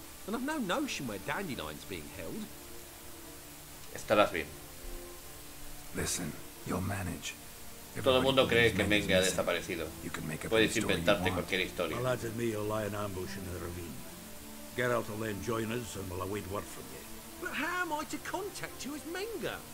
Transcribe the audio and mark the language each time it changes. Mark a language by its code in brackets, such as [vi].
[en] And I've no notion where Dandelion's being held. [es] Estarás bien. [en] Listen, you'll manage. [es] Todo el mundo cree que Menge ha desaparecido. Puedes inventarte cualquier historia. [en] Well, that's me, you'll lie in ambush in the ravine. Geralt will then join us and we'll await word from you. But how am I to contact you as Menge?